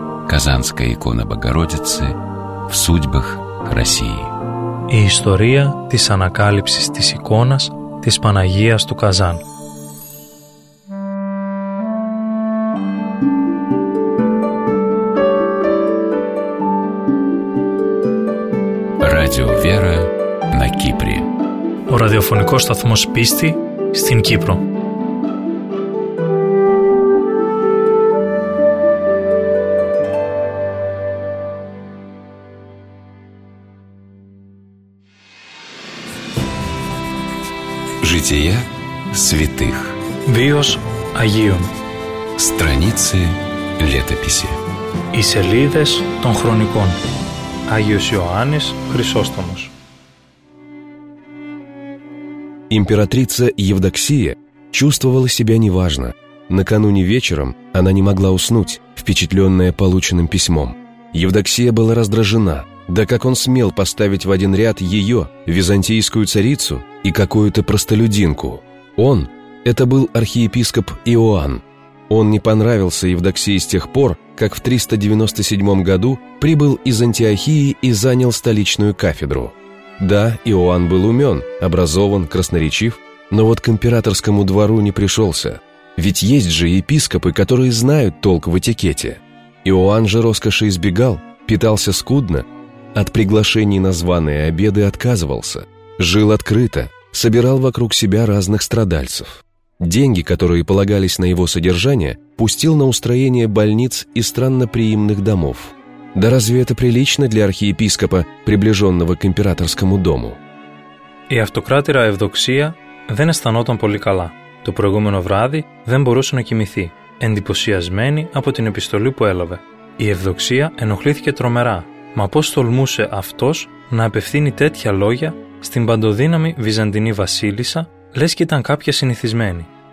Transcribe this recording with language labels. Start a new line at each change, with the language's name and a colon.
Russian: Казанская икона Богородицы в судьбах России.
Greek: Η ιστορία της ανακάλυψης της εικόνας της Παναγίας του Καζάν.
Russian: Radio Vera на Кипре.
Greek: Ο ραδιοφωνικός σταθμός πίστη στην Κύπρο.
Russian: Жития святых.
Greek: Βίος Αγίων.
Russian: Страницы летописи.
Greek: Οι σελίδες των χρονικών. Άγιος Ιωάννης Χρυσόστομος.
Russian: Императрица Евдоксия чувствовала себя неважно. Накануне вечером она не могла уснуть, впечатленная полученным письмом. Евдоксия была раздражена. Да как он смел поставить в один ряд ее, византийскую царицу, и какую-то простолюдинку? Он – это был архиепископ Иоанн. Он не понравился Евдоксии с тех пор, как в 397 году прибыл из Антиохии и занял столичную кафедру. Да, Иоанн был умен, образован, красноречив, но вот к императорскому двору не пришелся. Ведь есть же епископы, которые знают толк в этикете. Иоанн же роскоши избегал, питался скудно, от приглашений на званые обеды отказывался, жил открыто, собирал вокруг себя разных страдальцев. Деньги, которые полагались на его содержание, пустил на устроение больниц и странноприимных домов. Да разве это прилично для архиепископа, приближенного к императорскому дому?
Greek: Η αυτοκράτηρα Ευδοξία δεν αισθανόταν πολύ καλά. Το προηγούμενο βράδυ δεν μπορούσε να κοιμηθεί, εντυπωσιασμένη από την επιστολή που έλαβε. Η Ευδοξία ενοχλήθηκε τρομερά. Μα πώς τολμούσε αυτός να απευθύνει τέτοια λόγια στην παντοδύναμη Βυζαντινή βασίλισσα, λες και ήταν κάποια συνηθισμένη.